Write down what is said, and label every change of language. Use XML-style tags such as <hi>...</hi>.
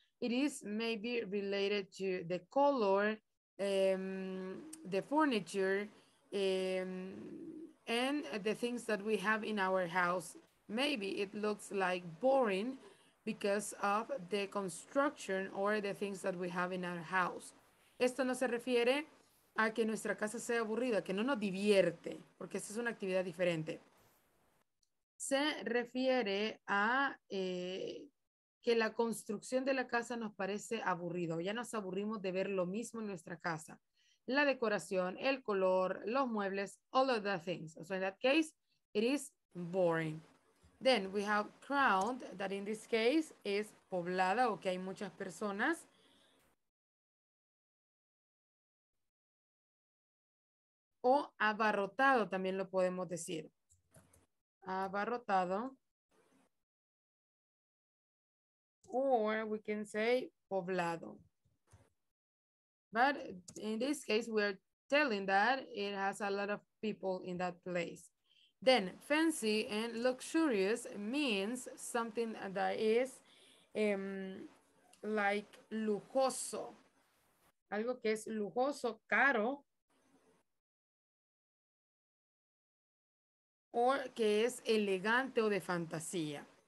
<en>It is maybe related to the color, the furniture, and the things that we have in our house. Maybe it looks like boring because of the construction or the things that we have in our house.</en> <es>Esto no se refiere a que nuestra casa sea aburrida, que no nos divierte, porque esa es una actividad diferente. Se refiere a que la construcción de la casa nos parece aburrido. Ya nos aburrimos de ver lo mismo en nuestra casa. La decoración, el color, los muebles,</es> <en>all of the things. So in that case, it is boring. Then we have crowd, that in this case is</en> <es>poblada o que hay muchas personas. O abarrotado también lo podemos decir. Abarrotado.</es> <en>Or we can say poblado. But in this case, we are telling that it has a lot of people in that place. Then fancy and luxurious means something that is like lujoso.</en> <es>algo que es lujoso, caro, o que es elegante o de fantasía.</es>